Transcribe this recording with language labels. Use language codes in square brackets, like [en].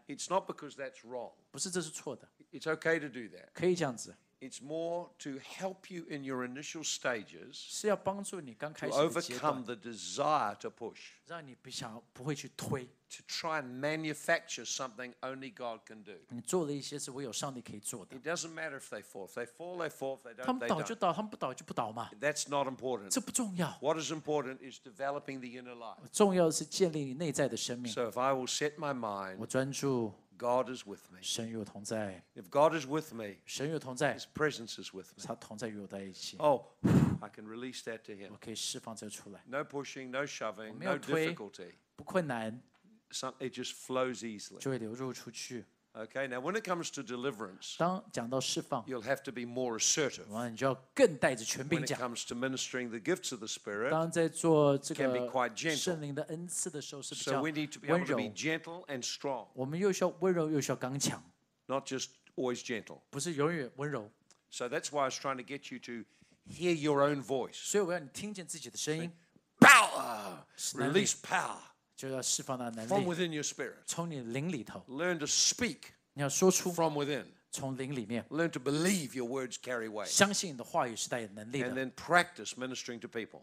[en] It's not because that's wrong. [zh] 不是这是错的。 [en] It's okay to do that. [zh] 可以这样子。 [en] It's more to help you in your initial stages, [zh] 是要帮助你刚开始的 [en] 阶段, to overcome the desire to push, [zh] 让你不想, 不会去推, [en] to try and manufacture something only God can do. [zh] 你做了一些是唯有上帝可以做的。 [en] It doesn't matter if they fall. If they fall, they fall. If they don't, they don't. [zh] 他们倒就倒，他们不倒就不倒嘛。 [en] That's not important. [zh] 这不重要。 [en] What is important is developing the inner life. [zh] 重要的是建立你内在的生命。 [en] So if I will set my mind, [zh] 我专注。 [en] God is with me. [zh] 神与我同在。 [en] If God is with me, [zh] 神与我同在。 [en] His presence is with me. [zh] 他同在与我在一起。 [en] Oh, I can release that to Him. [zh] 我可以释放这出来。 [en] No pushing, no shoving, no difficulty. [zh] 不困难。 [en] It just flows easily. [zh] 就会流入出去。 [en] Okay, now when it comes to deliverance, [zh] 当讲到释放, [en] you'll have to be more assertive. [zh] 完了，你就要更带着权柄讲。 [en] When it comes to ministering the gifts of the Spirit, [zh] 当在做这个 [en] can be quite gentle. [zh] 圣灵的恩赐的时候是比较温柔。 [en] So we need to be able to be gentle and strong. [zh] 我们又需要温柔，又需要刚强。 [en] Not just always gentle. [zh] 不是永远温柔。 [en] So that's why I was trying to get you to hear your own voice. [zh] 所以我要你听见自己的声音。 [en] Power, release power. [zh] 就要释放那能力。 [en] From within your spirit, [zh] 从你灵里头。 [en] Learn to speak, [zh] 你要说出。 [en] From within, [zh] 从灵里面。 [en] Learn to believe your words carry weight, [zh] 相信你的话语是带有能力的。 [en] And then practice ministering to people,